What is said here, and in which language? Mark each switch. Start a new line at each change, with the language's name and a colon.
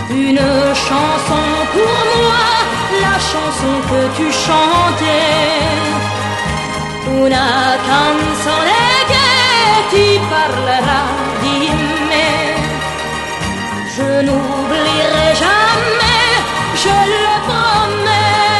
French: Une chanson pour moi, la chanson que tu chantais.
Italian: Una canzone che ti parlerà di me.
French: Je n'oublierai jamais, je le promets.